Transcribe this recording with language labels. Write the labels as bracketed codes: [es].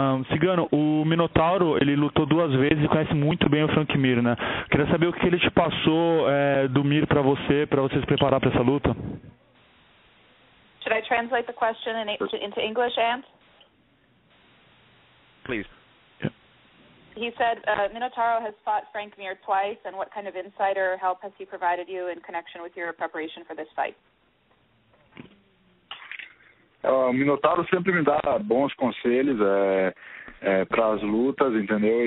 [pt] Cigano, o Minotauro, ele lutou duas vezes e conhece muito bem o Frank Mir, né? Queria saber o que ele te passou do Mir para você se preparar para essa luta. [en] Should I translate the question into English, Ant? Please. He said, Minotauro has fought Frank Mir twice, and what kind of insider help has he provided you in connection with your preparation for this fight? [pt] Minotauro sempre me dá bons conselhos para as lutas, entendeu?